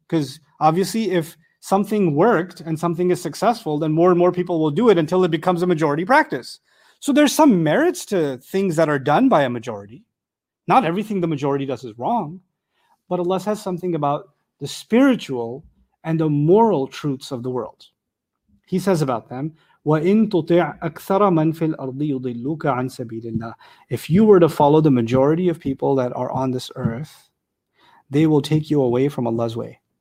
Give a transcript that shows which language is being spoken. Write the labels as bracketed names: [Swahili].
[English] Because obviously, if something worked and something is successful, then more and more people will do it until it becomes a majority practice. So there's some merits to things that are done by a majority. Not everything the majority does is wrong. But Allah says something about the spiritual and the moral truths of the world. He says about them, [Arabic] وَإِن تُطِعْ أَكْثَرَ مَن فِي الْأَرْضِ يُضِلُّكَ عَن سَبِيلِ اللَّهِ. [English] If you were to follow the majority of people that are on this earth, they will take you away from Allah's way.